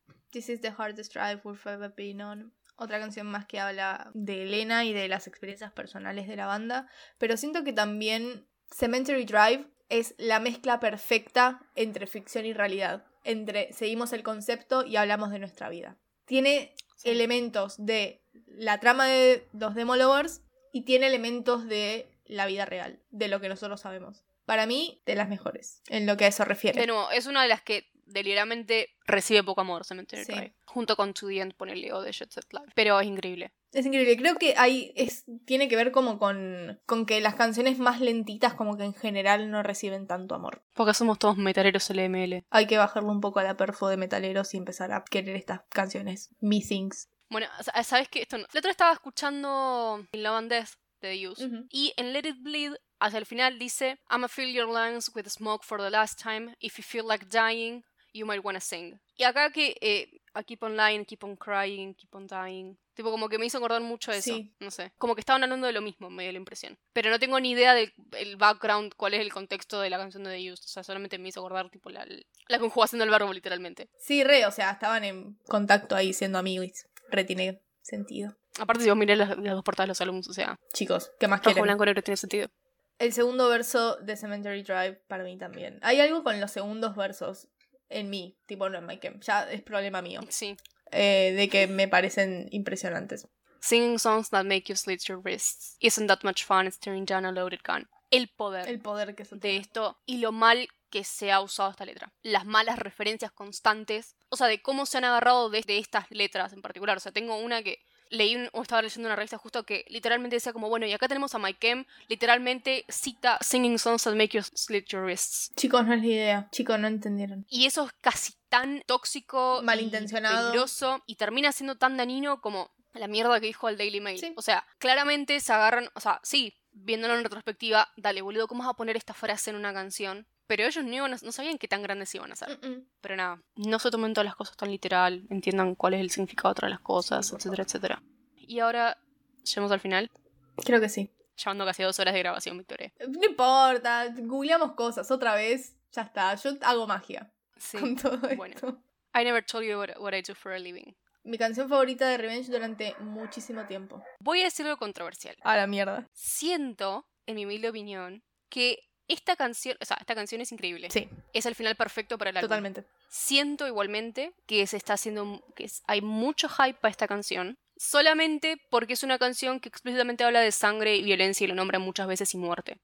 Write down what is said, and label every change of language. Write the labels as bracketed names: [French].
[English] This is the hardest drive we've ever been on. [Spanish] Otra canción más que habla de Elena y de las experiencias personales de la banda. Pero siento que también Cemetery Drive es la mezcla perfecta entre ficción y realidad. Entre seguimos el concepto y hablamos de nuestra vida. Tiene elementos de la trama de los Demolovers y tiene elementos de la vida real, de lo que nosotros sabemos. Para mí, de las mejores, en lo que a eso refiere. De nuevo, es una de las que deliberadamente recibe poco amor, Cemetery Drive. Junto con To The End, ponerle o de Jet Set Live. Pero es increíble. Es increíble. Creo que ahí tiene que ver como con que las canciones más lentitas como que en general no reciben tanto amor. Porque somos todos metaleros LML. Hay que bajarlo un poco a la perfo de metaleros y empezar a querer estas canciones. Me Things. Bueno, ¿sabes qué? Esto no. La otra estaba escuchando In Love and Death de The Used. Uh-huh. Y en [English] Let It Bleed, [Spanish] hacia el final dice, [English] I'ma fill your lungs with smoke for the last time. If you feel like dying, you might wanna sing. [Spanish] Y acá que, [English] I keep on lying, keep on crying, keep on dying. [Spanish] Tipo, como que me hizo acordar mucho eso. Sí. No sé. Como que estaban hablando de lo mismo, me dio la impresión. Pero no tengo ni idea del el background, cuál es el contexto de la canción de The Used. O sea, solamente me hizo acordar, tipo, la conjugación del verbo, literalmente. Sí, re, o sea, estaban en contacto ahí siendo amigos. Re tiene sentido. Aparte, si vos mirás las dos portadas de los álbumes, o sea. Chicos, ¿qué más quieren? Rojo, blanco, negro tiene sentido. El segundo verso de Cemetery Drive para mí también. Hay algo con los segundos versos en mí, tipo no en Mike, ya es problema mío. Sí. De que me parecen impresionantes. [English] Singing songs that make you slit your wrists. Isn't that much fun staring down a loaded gun. [Spanish] El poder que de esto y lo mal que se ha usado esta letra. Las malas referencias constantes, o sea, de cómo se han agarrado de estas letras en particular. O sea, tengo una que leí o estaba leyendo una revista justo que literalmente decía como, bueno, y acá tenemos a Mike M, literalmente cita [English] Singing songs that make you slit your wrists. [Spanish] Chicos, no es la idea. Chicos, no entendieron. Y eso es casi tan tóxico, malintencionado, peligroso, y termina siendo tan dañino como la mierda que dijo el Daily Mail. Sí. O sea, claramente se agarran, o sea, sí, viéndolo en retrospectiva, dale, boludo, ¿cómo vas a poner esta frase en una canción? Pero ellos no sabían qué tan grandes iban a ser. Mm-mm. Pero nada, no se tomen todas las cosas tan literal, entiendan cuál es el significado de las cosas, sí, etcétera, etcétera. Y ahora, ¿llegamos al final? Creo que sí. Llevando casi 2 horas de grabación, Victoria. No importa, googleamos cosas otra vez, ya está, yo hago magia. Sí. Con todo bueno, esto. [English] I never told you what I do for a living. [Spanish] Mi canción favorita de Revenge durante muchísimo tiempo. Voy a decir algo controversial. A la mierda. Siento, en mi humilde opinión, que esta canción, o sea, esta canción es increíble. Sí. Es el final perfecto para el álbum. Totalmente. Siento igualmente que se está haciendo, que hay mucho hype para esta canción, solamente porque es una canción que explícitamente habla de sangre y violencia y lo nombra muchas veces y muerte.